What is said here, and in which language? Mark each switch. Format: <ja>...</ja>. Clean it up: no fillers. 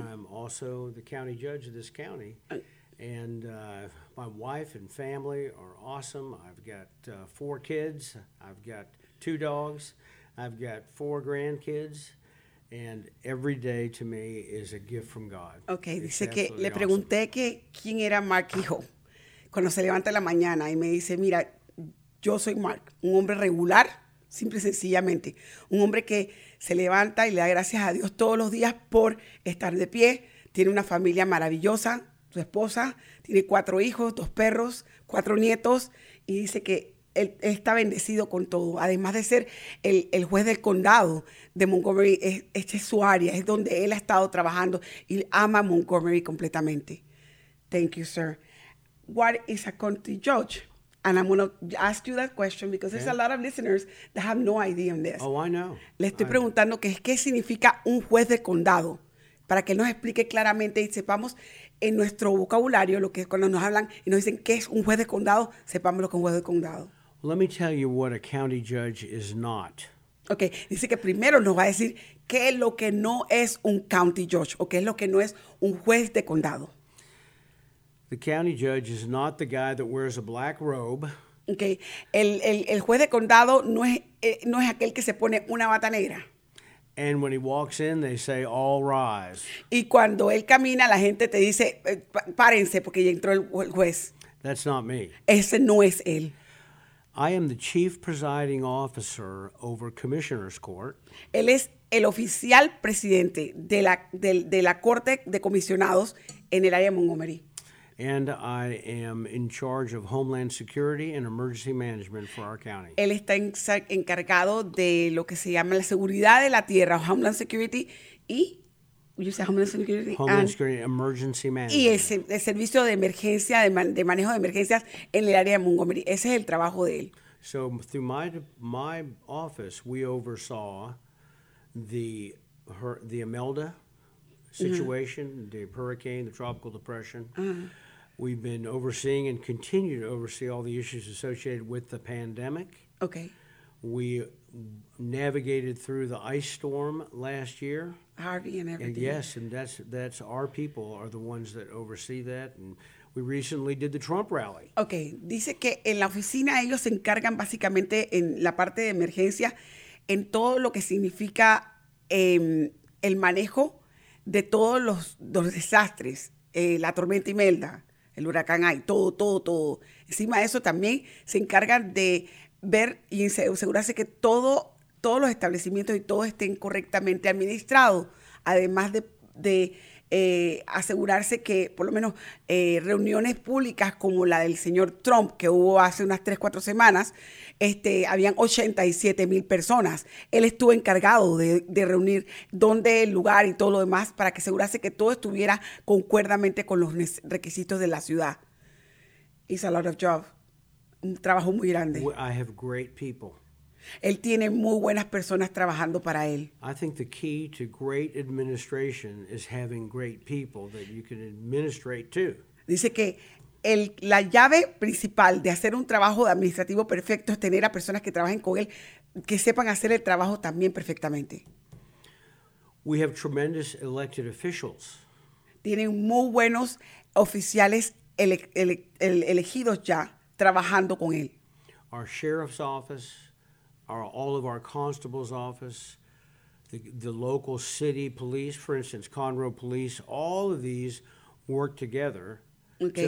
<en>And I'm also the county judge of this county. And my wife and family are awesome. I've got four kids. I've got two dogs. I've got four grandkids. And every day to me is a gift from God.</en> <es>Okay, it's dice que le pregunté awesome. Que quién era Mark hijo cuando se levanta en la mañana y me dice, mira, yo soy Mark, un hombre regular, simple y sencillamente, un hombre que se levanta y le da gracias a Dios todos los días por estar de pie, tiene una familia maravillosa, su esposa, tiene 4 hijos, 2 perros, 4 nietos, y dice que él está bendecido con todo. Además de ser el juez del condado de Montgomery, esta es su área, es donde él ha estado trabajando y ama Montgomery completamente.</es> <en>Thank you, sir. What is a county judge? And I'm going to ask you that question because there's a lot of listeners that have no idea on this. Oh, I know.</en> <es>Le estoy preguntando qué significa un juez de condado para que nos explique claramente y sepamos en nuestro vocabulario lo que es cuando nos hablan y nos dicen qué es un juez de condado, sepamos lo que es un juez de condado.</es> <en>Let me tell you what a county judge is not.</en> <es>Okay, dice que primero nos va a decir qué es lo que no es un county judge o qué es lo que no es un juez de condado.</es> <en>The county judge is not the guy that wears a black robe. Okay.</en> <es>El juez de condado no es aquel que se pone una bata negra.</es> <en>And when he walks in, they say, "All rise."</en> <es>Y cuando él camina, la gente te dice, "Párense porque ya entró el juez."</es> <en>That's not me.</en> <es>Ese no es él.</es> <en>I am the chief presiding officer over commissioner's court.</en> <es>Él es el oficial presidente de la corte de comisionados en el área de Montgomery.</es> <en>And I am in charge of Homeland Security and Emergency Management for our county.</en> <es>Él está encargado de lo que se llama la seguridad de la tierra, Homeland Security, y</es> <en>you say Homeland Security? Homeland Security, Emergency Management.</en> <es>Y el servicio de emergencia, de manejo de emergencias en el área de Montgomery. Ese es el trabajo de él.</es> <en>So through my office, we oversaw the Imelda situation, mm-hmm. the hurricane, the tropical depression. Mm-hmm. We've been overseeing and continue to oversee all the issues associated with the pandemic. Okay. We navigated through the ice storm last year. Harvey and everything. And yes, and that's our people are the ones that oversee that. And we recently did the Trump rally. Okay.</en> <es>Dice que en la oficina ellos se encargan básicamente en la parte de emergencia en todo lo que significa el manejo de todos los desastres, la tormenta Imelda. El huracán hay, todo, todo, todo. Encima de eso también se encargan de ver y asegurarse que todos los establecimientos y todo estén correctamente administrados, además de asegurarse que por lo menos reuniones públicas como la del señor Trump, que hubo hace unas 3-4 semanas, habían 87 mil personas. Él estuvo encargado de reunir dónde el lugar y todo lo demás para que asegurase que todo estuviera concuerdamente con los requisitos de la ciudad.</es> <en>It's a lot of job.</en> <es>Un trabajo muy grande.</es> <en>I have great people.</en> <es>Él tiene muy buenas personas trabajando para él.</es> <en>I think the key to great administration is having great people that you can administrate to.</en> <es>Dice que la llave principal de hacer un trabajo administrativo perfecto es tener a personas que trabajen con él que sepan hacer el trabajo también perfectamente.</es> <en>We have tremendous elected officials.</en> <es>Tienen muy buenos oficiales elegidos ya trabajando con él.</es> <en>Our sheriff's office. All of our constables' office, the local city police, for instance, Conroe Police, all of these work together okay.</en>